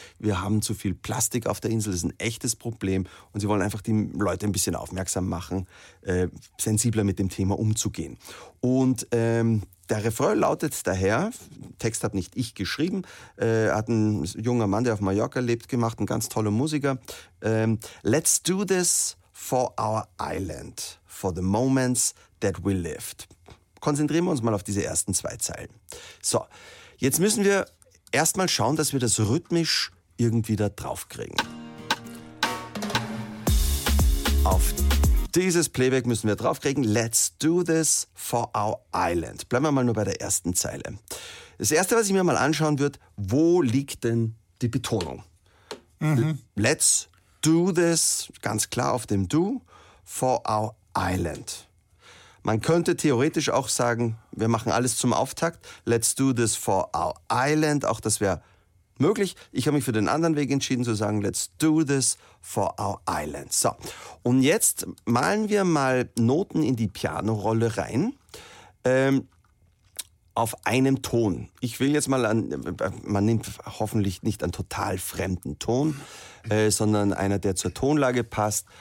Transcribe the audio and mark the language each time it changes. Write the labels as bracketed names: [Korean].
[German] Wir haben zu viel Plastik auf der Insel, das ist ein echtes Problem. Und sie wollen einfach die Leute ein bisschen aufmerksam machen, sensibler mit dem Thema umzugehen. Und der Refrain lautet daher, Text habe nicht ich geschrieben, hat ein junger Mann, der auf Mallorca lebt, gemacht, ein ganz toller Musiker. [English] Let's do this for our island, for the moments that we lived. [German] Konzentrieren wir uns mal auf diese ersten zwei Zeilen. So, jetzt müssen wir erstmal schauen, dass wir das rhythmisch irgendwie da draufkriegen. Auf dieses Playback müssen wir draufkriegen. [English] Let's do this for our island. [German] Bleiben wir mal nur bei der ersten Zeile. Das Erste, was ich mir mal anschauen würde, wo liegt denn die Betonung? Mhm. [English] Let's do this, [German] ganz klar auf dem Do, [English] for our island. [German] Man könnte theoretisch auch sagen, wir machen alles zum Auftakt. [English] Let's do this for our island. [German] Auch das wäre möglich. Ich habe mich für den anderen Weg entschieden, zu sagen, [English] let's do this for our island. [German] So, und jetzt malen wir mal Noten in die Pianorolle rein, auf einem Ton. Ich will jetzt mal man nimmt hoffentlich nicht einen total fremden Ton, sondern einer, der zur Tonlage passt.